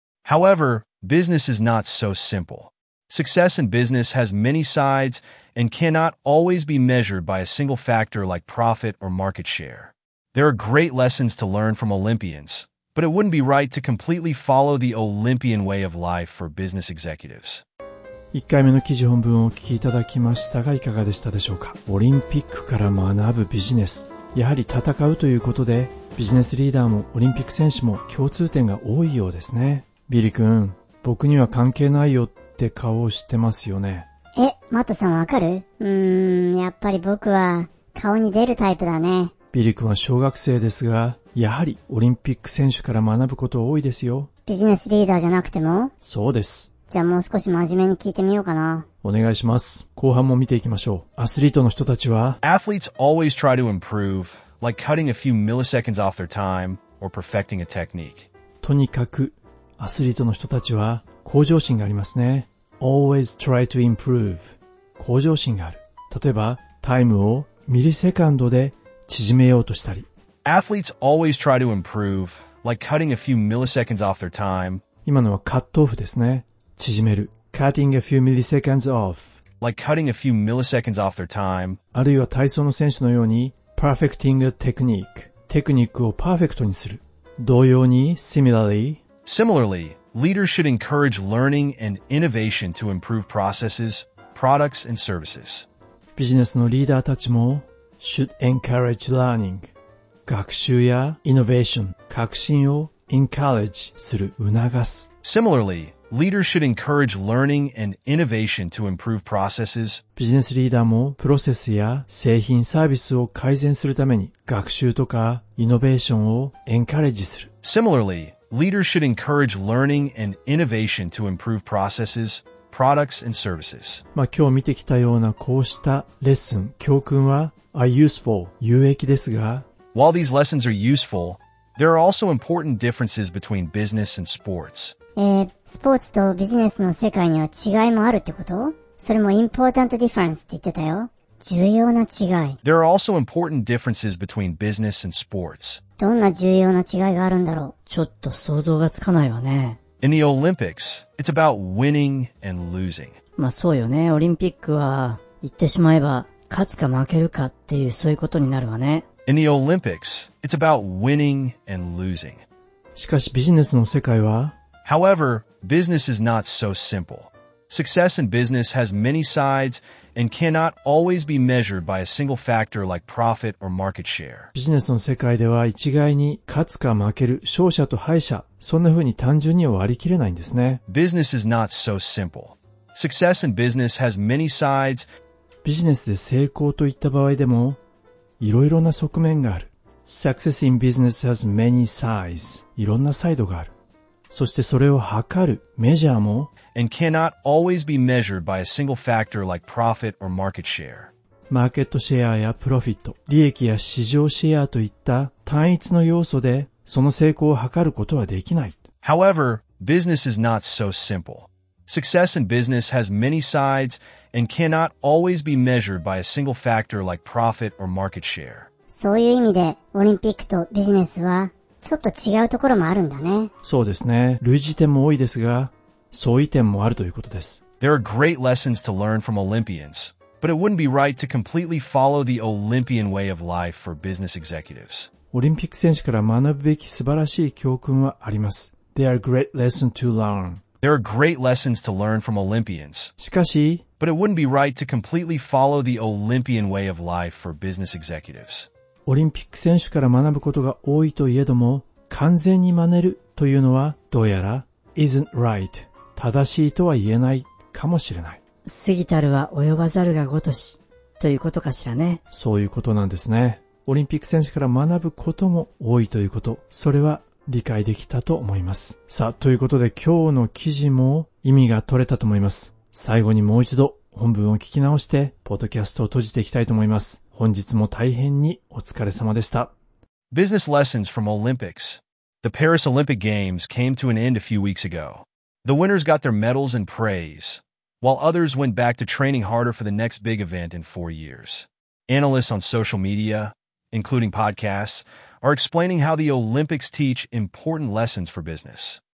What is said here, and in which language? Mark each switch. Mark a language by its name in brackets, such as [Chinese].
[English] However, business is not so simple. Success in business has many sides and cannot always be measured by a single factor like profit or market share. There are great lessons to learn from Olympians, but it wouldn't be right to completely follow the Olympian way of life for business executives. [Japanese] 1回目の記事本文をお聞きいただきましたが、いかがでしたでしょうか。オリンピックから学ぶビジネス、やはり戦うということで、ビジネスリーダーもオリンピック選手も共通点が多いようですね。ビリ君、僕には関係ないよって顔をしてますよね。え、マットさんわかる？やっぱり僕は顔に出るタイプだね。ビリ君は小学生ですが、やはりオリンピック選手から学ぶこと多いですよ。ビジネスリーダーじゃなくても？そうです。じゃあもう少し真面目に聞いてみようかな。お願いします。後半も見ていきましょう。アスリートの人たちは、 [English] Athletes always try to improve, like cutting a few milliseconds off their time or perfecting a technique. [Japanese] とにかくアスリートの人たちは向上心がありますね。 [English] Always try to improve. [Japanese] 向上心がある。例えばタイムをミリセカンドで縮めようとしたり。 [English] Athletes always try to improve, like cutting a few milliseconds off their time. [Japanese] 今のはカットオフですね。縮める。 [English] Cutting a few milliseconds off. Like cutting a few milliseconds off their time. [Japanese] あるいは体操の選手のように [English] Perfecting a technique. [Japanese] テクニックをパーフェクトにする。同様に [English] Similarly. Similarly, leaders should encourage learning and innovation to improve processes, products, and services. [Japanese] ビジネスのリーダーたちも [English] should encourage learning. [Japanese] 学習やイノベーション、革新を encourage する、促す。 [English] Similarly, leaders should encourage learning and innovation to improve processes. [Japanese] ビジネスリーダーもプロセスや製品サービスを改善するために学習とかイノベーションを encourage する。 [English] Similarly, leaders should encourage learning and innovation to improve processes, products, and services. [Japanese] まあ今日見てきたようなこうしたレッスン、教訓は [English] are useful, [Japanese] 有益ですが、 [English] While these lessons are useful, there are also important differences between business and sports. [Japanese] スポーツとビジネスの世界には違いもあるってこと？それも [English] important difference [Japanese] って言ってたよ。重要な違い。 [English] There are also important differences between business and sports. [Japanese] どんな重要な違いがあるんだろう？ちょっと想像がつかないわね。 [English] In the Olympics, it's about winning and losing. [Japanese] まあそうよね。オリンピックは言ってしまえば勝つか負けるかっていうそういうことになるわね。 [English] In the Olympics, it's about winning and losing. [Japanese] しかしビジネスの世界は、 [English] However, business is not so simple. Success in business has many sides and cannot always be measured by a single factor like profit or market share. [Japanese] ビジネスの世界では一概に勝つか負ける、勝者と敗者、そんな風に単純に割り切れないんですね。 [English] Business is not so simple. Success in business has many sides. [Japanese] ビジネスで成功といった場合でも、いろいろな側面がある。 [English] Success in business has many sides. [Japanese] いろんなサイドがある。そしてそれを測るメジャーも [English] and cannot always be measured by a single factor like profit or market share. [Japanese] マーケットシェアやプロフィット、利益や市場シェアといった単一の要素でその成功を測ることはできない。 [English] However, business is not so simple. Success in business has many sides and cannot always be measured by a single factor like profit or market share. [Japanese] そういう意味でオリンピックとビジネスはちょっと違うところもあるんだね。そうですね。類似点も多いですが、相違点もあるということです。 [English] There are great lessons to learn from Olympians, but it wouldn't be right to completely follow the Olympian way of life for business executives. [Japanese] オリンピック選手から学ぶべき素晴らしい教訓はあります。 [English] There are great lessons to learn. There are great lessons to learn from Olympians. [Japanese] しかし、 [English] but it wouldn't be right to completely follow the Olympian way of life for business executives. [Japanese] オリンピック選手から学ぶことが多いといえども、完全に真似るというのはどうやら [English] isn't right [Japanese] 正しいとは言えないかもしれない。過ぎたるは及ばざるがごとしということかしらね。そういうことなんですね。オリンピック選手から学ぶことも多いということ、それは理解できたと思います。さあ、ということで今日の記事も意味が取れたと思います。最後にもう一度本文を聞き直してポッドキャストを閉じていきたいと思います。本日も大変にお疲れ様でした。 [English] Business lessons from Olympics. The Paris Olympic Games came to an end a few weeks ago. The winners got their medals and praise, while others went back to training harder for the next big event in 4 years. Analysts on social media, including podcasts, are explaining how the Olympics teach important lessons for business.